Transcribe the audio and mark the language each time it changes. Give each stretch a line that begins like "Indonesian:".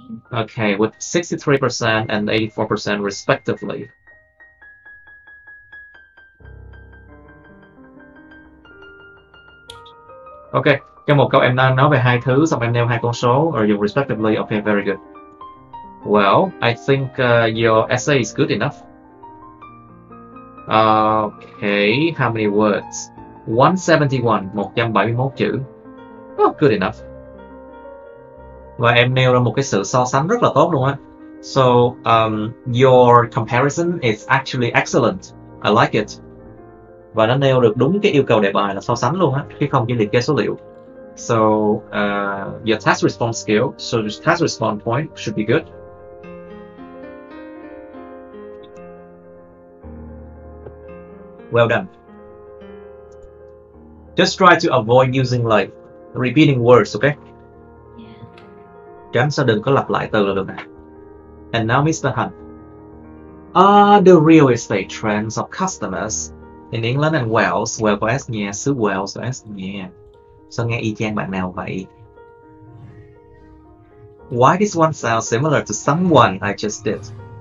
English: Okay, with 63% and 84% respectively.
Vietnamese: Okay, trong một câu em đang nói về hai thứ, xong em nêu hai con số,
English: or you respectively, okay, very good. Well, I think your essay is good enough. Okay, how many words? 171 chữ. Oh, good enough.
Vietnamese: Và em nêu ra một cái sự so sánh rất là tốt luôn á.
English: So, your comparison is actually excellent. I like it.
Vietnamese: Và nó nêu được đúng cái yêu cầu đề bài là so sánh luôn á, chứ không chỉ liệt kê số liệu.
English: So, your task response skill, so your task response point should be good. Well done. Just try to avoid using like repeating words, okay?
Vietnamese: Tránh sao đừng có lặp lại từ là được nè.
English: And now Mr. Han. The real estate trends of customers in England and Wales.
Vietnamese: Well, có S nha, xứ Wales có S nha. Sao nghe y chang bạn nào vậy?
English: Why this one sounds similar to someone I just did?